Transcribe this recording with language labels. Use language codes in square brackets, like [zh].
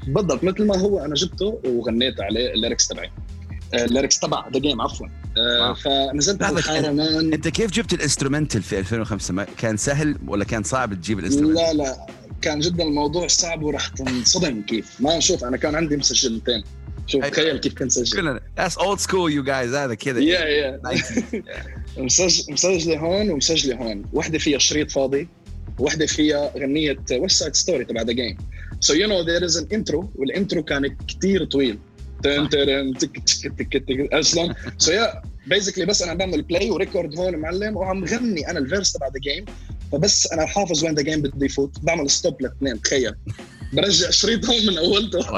[ar] بالضبط مثل ما هو انا جبته وغنيت عليه الليركس تبعي الليركس تبع ذا جيم عفوا فنزلت على الخيرمان انت كيف جبت الانسترومنتال في 2005 كان سهل ولا كان صعب تجيب الانسترومنتال لا كان جدا الموضوع صعب وراح تنصدم كيف ما شوف انا كان عندي مسجلتين شوف تخيل كيف كان سجل [en] that's old school you guys [ar] هذا كذا مسجلة هون ومسجلة هون واحدة فيها شريط فاضي واحدة فيها غنية West Side Story تبع The Game [en] So you know there is an intro [ar] والإنترو كان كتير طويل تن تن تك تك تك تك أصلاً [en] So yeah basically [ar] بس أنا بعمل play وريكورد هون معلم وعم غني أنا الفيرس تبع The Game فبس أنا حافظ وين The Game بدي يفوت بعمل stop لاثنين تخيل برجع شريط هون من أولته